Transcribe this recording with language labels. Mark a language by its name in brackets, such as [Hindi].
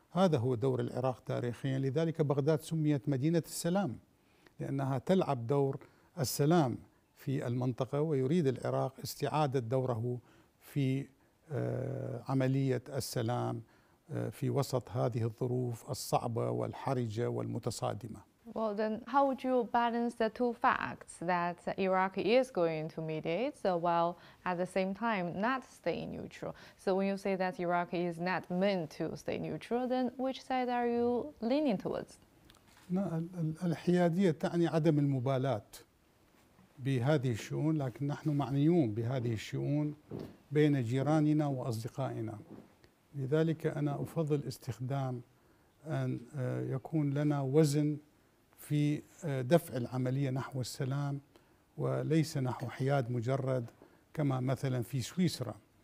[Arabic] هذا هو دور العراق تاريخيا. لذلك بغداد سميت مدينة السلام، لأنها تلعب دور السلام في المنطقة، ويريد العراق استعادة دوره في عملية السلام في وسط هذه الظروف الصعبة والحرجة والمتصادمة. [English] Well, then how would you balance the two facts that Iraq is going to mediate while at the same time not staying neutral? So when you say that Iraq is not meant to stay neutral, then which side are you leaning towards? [Arabic] الحيادية تعني عدم المبالاة بهذه الشؤون، لكن نحن معنيون بهذه الشؤون بين جيراننا وأصدقائنا. لذلك أنا أفضل استخدام أن يكون لنا وزن في دفع العملية نحو السلام وليس نحو حياد مجرد، كما مثلا في سويسرا.